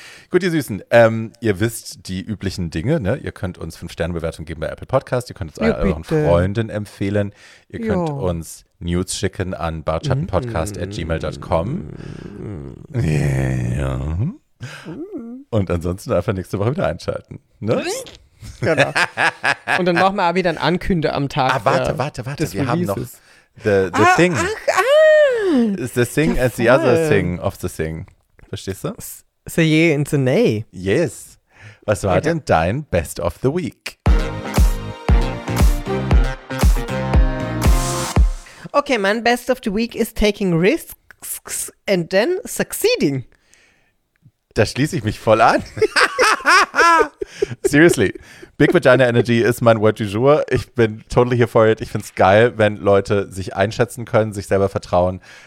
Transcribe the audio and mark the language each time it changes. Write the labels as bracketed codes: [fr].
[de] Gut, ihr Süßen, ihr wisst die üblichen Dinge, ne? Ihr könnt uns 5-Sterne-Bewertung geben bei Apple Podcast, ihr könnt es euren Freunden empfehlen, ihr könnt uns News schicken an bartschattenpodcast@gmail.com. Ja. Und ansonsten einfach nächste Woche wieder einschalten. Ne? Genau. Und dann machen wir auch wieder ein Ankünde am Tag. Ah, warte, wir haben noch [en] the thing. [de] Ach. [en] The thing is the other thing of the thing. [de] Verstehst du? [en] So ye and so nay. [de] Yes. Was war denn dein Best of the Week? [en] Okay, mein Best of the Week is taking risks and then succeeding. [de] Da schließe ich mich voll an. Seriously. [en] Big Vagina Energy ist mein Word du jour. [de] Ich bin [en] totally here for it. [de] Ich finde es geil, wenn Leute sich einschätzen können, sich selber vertrauen.